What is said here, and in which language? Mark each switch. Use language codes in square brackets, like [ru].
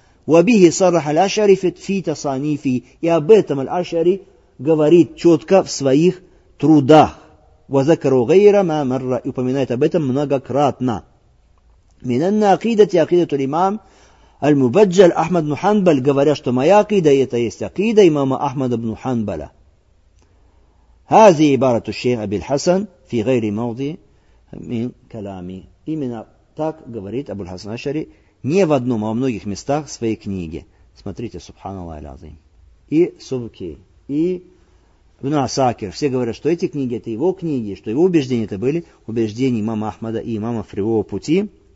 [ar] Вабихи сарраха аль-Ашари фи тасанифи. [ru] И об этом аль-Ашари говорит четко в своих трудах. [ar] Вазакару гайра ма марра. [ru] И упоминает об этом многократно. [ar] من النقيدة عقيدة الإمام المبجل أحمد بن حنبل [ru] говоря, что моя акида это есть акида имама Ахмада ибн Ханбаля. [ar] هذه عبارة الشيخ أبي الحسن في غير موضع من كلامي. [ru] Именно так говорит Абу аль-Хасан аш-Шари не в одном, а в многих местах своей книги. Смотрите, субханаллах аль-Азим. И Субки, и Ибн Асакир. Все говорят, что эти книги это его книги, что его убеждения это были убеждения имама Ахмада и имама Фривого пути.